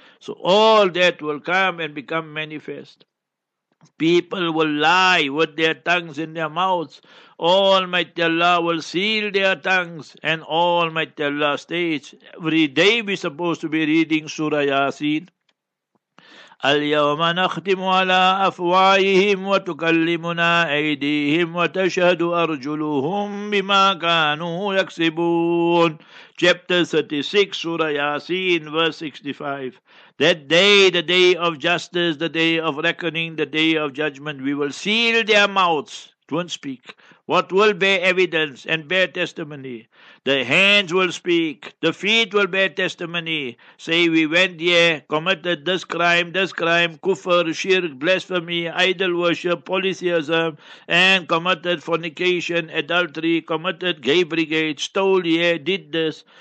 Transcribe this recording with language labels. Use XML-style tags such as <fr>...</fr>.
<en>So all that will come and become manifest. People will lie with their tongues in their mouths. Almighty Allah will seal their tongues. And Almighty Allah states, every day we're supposed to be reading Surah Yasin.</en> <ar>اليوم نختم على أفواههم وتكلمنا أيديهم وتشهد أرجلهم بما كانوا يكسبون.</ar> <en>Chapter 36, Surah Yasin, verse 65. That day, the day of justice, the day of reckoning, the day of judgment, we will seal their mouths. Don't speak. What will bear evidence and bear testimony? The hands will speak. The feet will bear testimony. Say, we went here, committed this crime, kufr, shirk, blasphemy, idol worship, polytheism, and committed fornication, adultery, committed gay brigade, stole here, did this.</en>